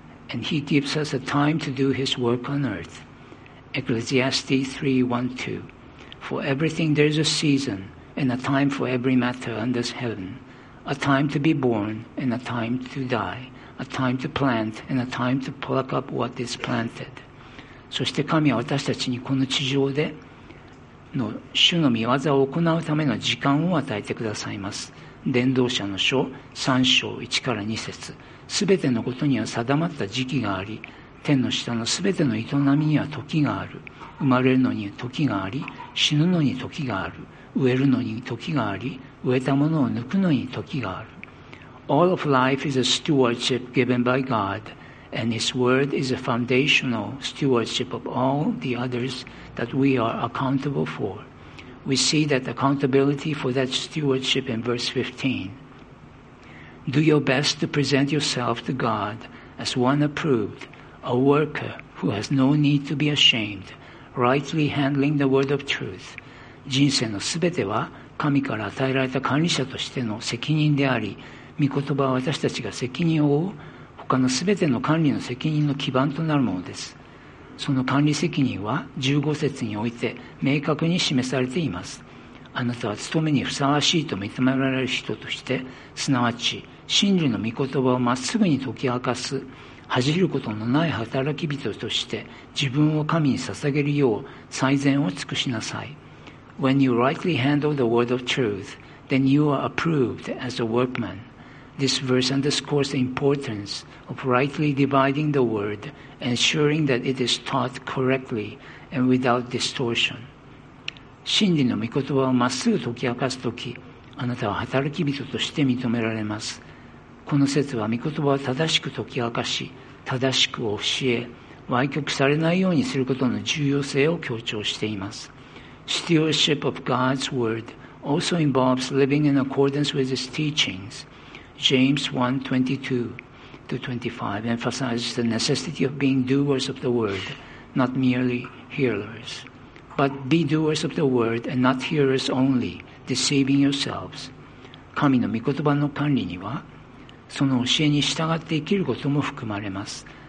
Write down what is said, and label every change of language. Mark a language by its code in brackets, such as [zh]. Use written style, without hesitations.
[en] And he gives us a time to do his work on earth. Ecclesiastes 3:1-2. For everything there is a season, and a time for every matter under heaven. A time to be born, and a time to die. A time to plant, and a time to pluck up what is planted. [ja] そして神は私たちにこの地上での主の御業を行うための時間を与えてくださいます。伝道者の書3章1から2節すべてのことには定まった時期があり天の下のすべての営みには時がある生まれるのに時があり死ぬのに時がある植えるのに時があり植えたものを抜くのに時がある [en] All of life is a stewardship given by God and His word is a foundational stewardship of all the others that we are accountable forWe see that accountability for that stewardship in verse 15. Do your best to present yourself to God as one approved, a worker who has no need to be ashamed, rightly handling the word of truth. [ja] 人生のすべては神から与えられた管理者としての責任であり、御言葉は私たちが責任を負う他のすべての管理の責任の基盤となるものです。その管理責任は15節において明確に示されています。あなたは務めにふさわしいと認められる人としてすなわち真理の御言葉をまっすぐに解き明かす恥じることのない働き人として自分を神に捧げるよう最善を尽くしなさい。 [en] When you rightly handle the word of truth then you are approved as a workman. This verse underscores the importance of rightly dividing the wordensuring that it is taught correctly and without distortion. [ja] 真理の御言葉をまっすぐ解き明かすとき、あなたは働き人として認められます。この節は御言葉を正しく解き明かし、正しく教え、歪曲されないようにすることの重要性を強調しています。 [en] Stewardship of God's word also involves living in accordance with his teachings. James 1:22-25 emphasizes the necessity of being doers of the word, not merely hearers. But be doers of the word and not hearers only, deceiving yourselves. [ja] 神の御言葉の管理には、その教えに従って生きることも含まれます。